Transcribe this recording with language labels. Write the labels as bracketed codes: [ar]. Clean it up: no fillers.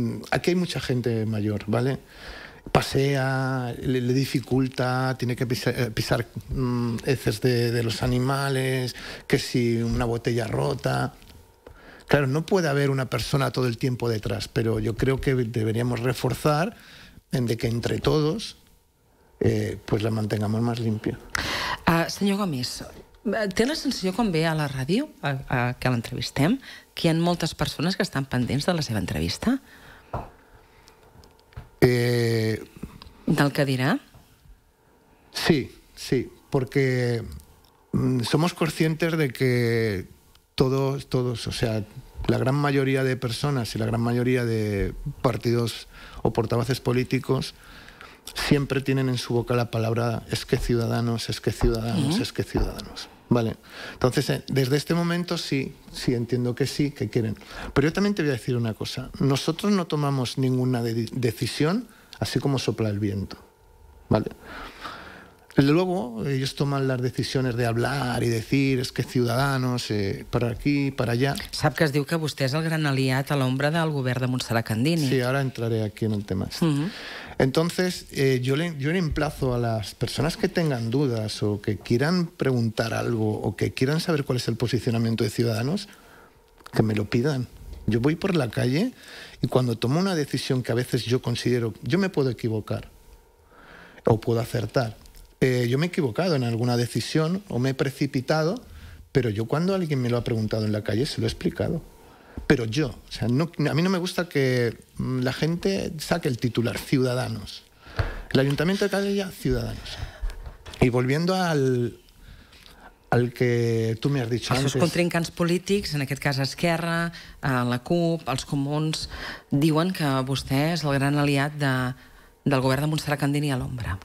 [es] aquí hay mucha gente mayor, ¿vale? Pasea, le dificulta, tiene que pisar heces de los animales, que si una botella rota... Claro, no puede haber una persona todo el tiempo detrás, pero yo creo que deberíamos reforzar en de que entre todos pues la mantengamos más limpia. Señor Gomis, [ca] Té la sensació, quan ve a la ràdio, que l'entrevistem, que hi ha moltes persones que estan pendents de la seva entrevista? Del que dirà? [es] Sí, sí, porque somos conscientes de que todos, o sea, la gran mayoría de personas y la gran mayoría de partidos o portavoces políticos siempre tienen en su boca la palabra es que Ciudadanos, es que Ciudadanos, es que Ciudadanos. Vale, entonces desde este momento sí, sí entiendo que sí, que quieren. Pero yo también te voy a decir una cosa. Nosotros no tomamos ninguna decisión así como sopla el viento. Vale. Luego ellos toman las decisiones de hablar y decir es que Ciudadanos, para aquí, para allá. [ca] Sap que es diu que vostè és el gran aliat a l'ombra del govern de Montserrat Candini. [es] Sí, ahora entraré aquí en el tema. Entonces, yo le emplazo a las personas que tengan dudas o que quieran preguntar algo o que quieran saber cuál es el posicionamiento de Ciudadanos, que me lo pidan. Yo voy por la calle y cuando tomo una decisión que a veces yo considero, yo me puedo equivocar o puedo acertar. Yo me he equivocado en alguna decisión o me he precipitado, pero yo cuando alguien me lo ha preguntado en la calle se lo he explicado. Pero yo, o sea, no, a mí no me gusta que la gente saque el titular Ciudadanos. El Ayuntamiento de Calella, Ciudadanos. Y volviendo al que tú me has dicho antes... [ca] Els contrincants polítics, en aquest cas Esquerra, la CUP, els comuns, diuen que vostè és el gran aliat del govern de Montserrat Candini a l'ombra.